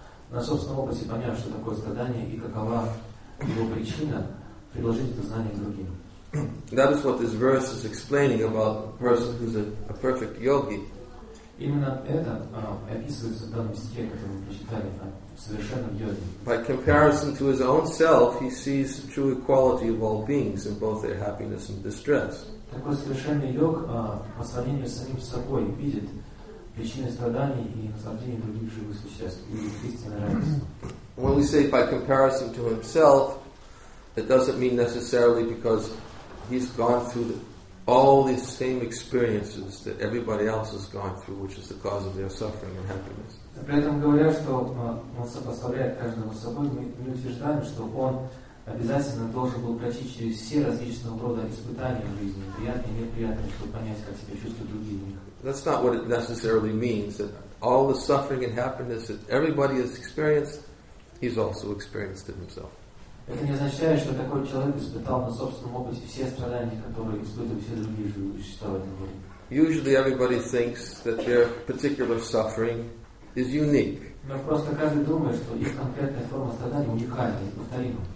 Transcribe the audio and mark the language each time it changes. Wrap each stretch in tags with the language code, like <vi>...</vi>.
<ru>На собственном опыте понять, что такое страдание и какова его причина, предложить это знание другим.</ru> <en>That is what this verse is explaining about a person who's a perfect yogi.</en> <ru>Именно это описывается в данном стихе, который мы прочитали, совершенном йоге.</ru> <en>By comparison to his own self, he sees the true equality of all beings in both their happiness and distress.</en> <ru>Такой совершенный йог по сравнению с самим собой видит причины страданий и наслаждения других живых существ и их истинное равенство.</ru> <en>When we say by comparison to himself, it doesn't mean necessarily because he's gone through all the same experiences that everybody else has gone through, which is the cause of their suffering and happiness.</en> <ru>При этом говоря, что он сопоставляет каждого с собой, мы утверждаем, что он обязательно должен был пройти через все различного рода испытания в жизни, приятные и неприятные, чтобы понять, как себя чувствуют другие в них.</ru> <en>That's not what it necessarily means, that all the suffering and happiness that everybody has experienced, he's also experienced it himself.</en> <ru>Это не означает, что такой человек испытал на собственном опыте все страдания, которые испытывают все другие живые существа в этом мире.</ru> <en>Usually everybody thinks that their particular suffering is unique.</en> <ru>Но просто каждый думает, что их конкретная форма страдания уникальна, неповторима.</ru>